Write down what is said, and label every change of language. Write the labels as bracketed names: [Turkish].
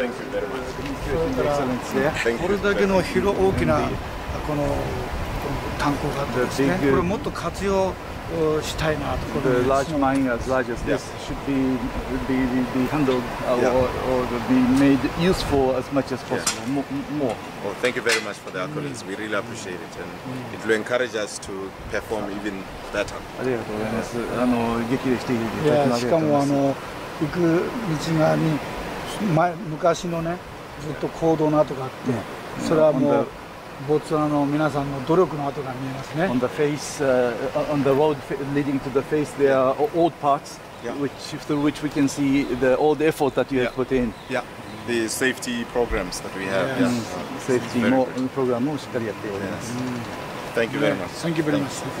[Japanese] これだけの広大きなこの炭鉱があってですね、これもっと活用したいなと。 [English] The large mine as large as this should be handled or be made useful as much as possible. More. Oh, thank you very much for the accolades. We really appreciate it, and it will encourage us to perform even better. [Japanese] ありがとうございます。激励していただきます。いや、しかも行く道側に昔のね、ずっと坑道の跡があって、それはもう。ボツワナの皆さんの努力の跡が見えますね。 [English] On the face, on the road leading to the face, there are old parts, which through which we can see the old effort that you have put in. Yeah, the safety programs that we have. [Japanese] Safety program もしっかりやっております。 [English] Thank you very much. Thank you very much.